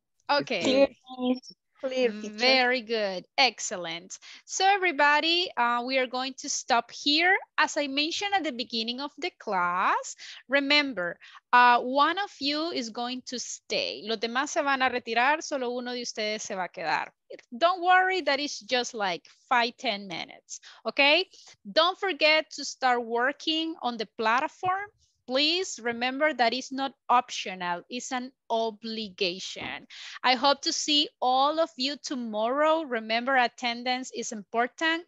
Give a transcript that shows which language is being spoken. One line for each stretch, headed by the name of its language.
English: Okay. Very good. Excellent. So everybody, we are going to stop here. As I mentioned at the beginning of the class, remember, one of you is going to stay.
Spanish: Los demás se van a retirar, solo uno de ustedes se va a quedar.
English: Don't worry, that is just like 5-10 minutes, okay? Don't forget to start working on the platform. Please remember that it's not optional, it's an obligation. I hope to see all of you tomorrow. Remember, attendance is important.